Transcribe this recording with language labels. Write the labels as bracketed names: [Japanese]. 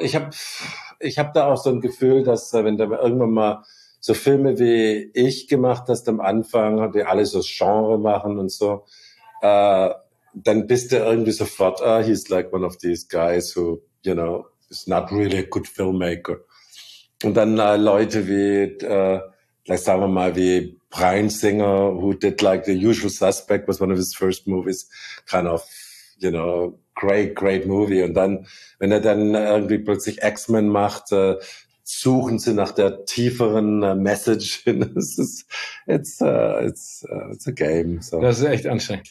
[German] Ich habe da auch so ein Gefühl, dass wenn da irgendwann mal so Filme wie ich gemacht hast am Anfang, die alle so Genre machen und so, dann bist du irgendwie sofort, [English] he's like one of these guys who, you know, is not really a good filmmaker. [German] Und dann Leute wie, [English] like, [German] sagen wir mal, wie [English] Bryan Singer, who did like The Usual Suspect, was one of his first movies, kind of, you know, great, great movie. [German] Und dann, wenn er dann irgendwie plötzlich X-Men macht, suchen sie nach der tieferen Message. [English] it's a game. So. [German] Das ist echt anstrengend.